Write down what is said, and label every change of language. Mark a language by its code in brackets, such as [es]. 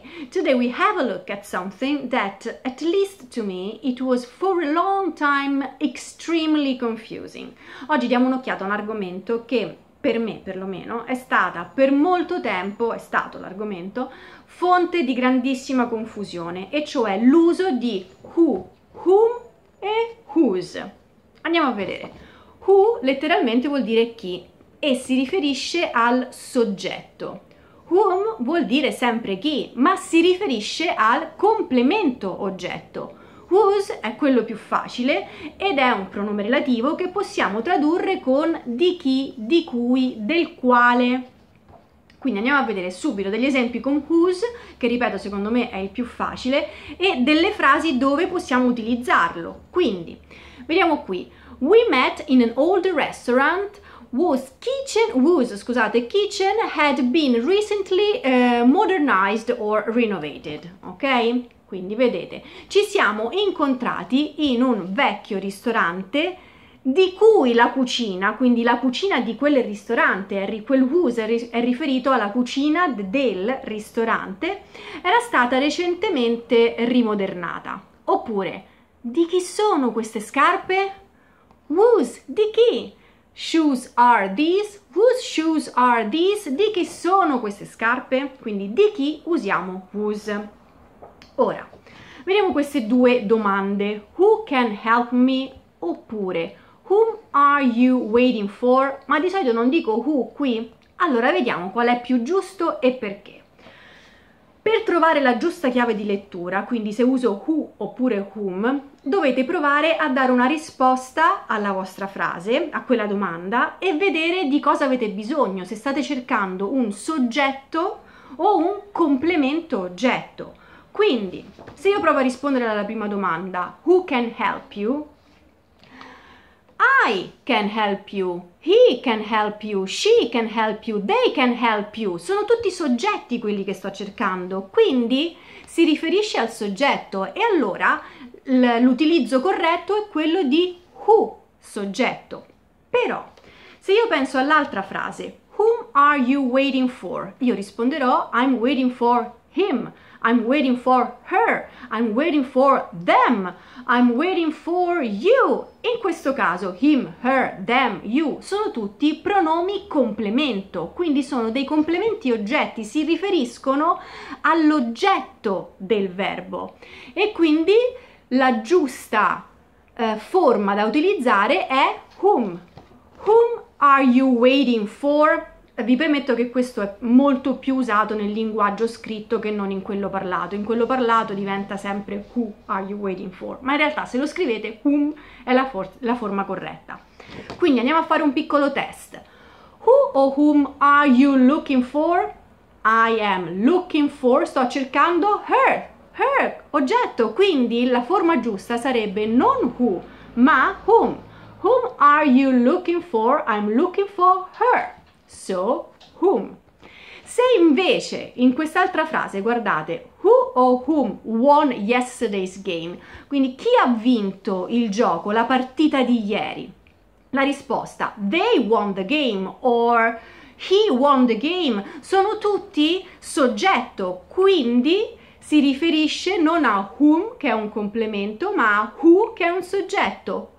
[en] Today we have a look at something that, at least to me, it was for a long time extremely confusing. [it] Oggi diamo un'occhiata a un argomento che, per me perlomeno, è stata per molto tempo, è stato l'argomento, fonte di grandissima confusione, e cioè l'uso di who, whom e whose. Andiamo a vedere. Who letteralmente vuol dire chi e si riferisce al soggetto. Whom vuol dire sempre chi, ma si riferisce al complemento oggetto. Whose è quello più facile ed è un pronome relativo che possiamo tradurre con di chi, di cui, del quale. Quindi andiamo a vedere subito degli esempi con whose, che ripeto secondo me è il più facile, e delle frasi dove possiamo utilizzarlo. Quindi, vediamo qui. [en] We met in an old restaurant. Whose kitchen had been recently modernized or renovated. Ok? [it] Quindi vedete, ci siamo incontrati in un vecchio ristorante di cui la cucina, quindi la cucina di quel ristorante, quel whose è riferito alla cucina del ristorante, era stata recentemente rimodernata. Oppure, di chi sono queste scarpe? Whose, di chi? [en] Shoes are these? Whose shoes are these? [it] Di chi sono queste scarpe? Quindi di chi usiamo whose? Ora, vediamo queste due domande. [en] Who can help me? [it] Oppure, [en] whom are you waiting for? [it] Ma di solito non dico who qui. Allora vediamo qual è più giusto e perché. Per trovare la giusta chiave di lettura, quindi se uso who oppure whom, dovete provare a dare una risposta alla vostra frase, a quella domanda, e vedere di cosa avete bisogno, se state cercando un soggetto o un complemento oggetto. Quindi, se io provo a rispondere alla prima domanda, [en] who can help you? I can help you, he can help you, she can help you, they can help you. [it] Sono tutti soggetti quelli che sto cercando, quindi si riferisce al soggetto e allora l'utilizzo corretto è quello di who, soggetto. Però, se io penso all'altra frase, [en] whom are you waiting for? [it] Io risponderò, [en] I'm waiting for him, I'm waiting for her, I'm waiting for them, I'm waiting for you. [it] In questo caso, him, her, them, you, sono tutti pronomi complemento, quindi sono dei complementi oggetti, si riferiscono all'oggetto del verbo. E quindi la giusta forma da utilizzare è whom. [en] Whom are you waiting for? [it] Vi permetto che questo è molto più usato nel linguaggio scritto che non in quello parlato. In quello parlato diventa sempre [en] who are you waiting for, [it] ma in realtà se lo scrivete whom è la forma corretta. Quindi andiamo a fare un piccolo test. [en] Who or whom are you looking for? I am looking for, [it] sto cercando [en] her, her, oggetto. [it] Quindi la forma giusta sarebbe non who, ma whom. [en] Whom are you looking for? I'm looking for her. So, whom? [it] Se invece in quest'altra frase guardate, [en] who or whom won yesterday's game? [it] Quindi chi ha vinto il gioco, la partita di ieri? La risposta, [en] they won the game [it] or he won the game, sono tutti soggetto, quindi si riferisce non a whom, che è un complemento, ma a who, che è un soggetto.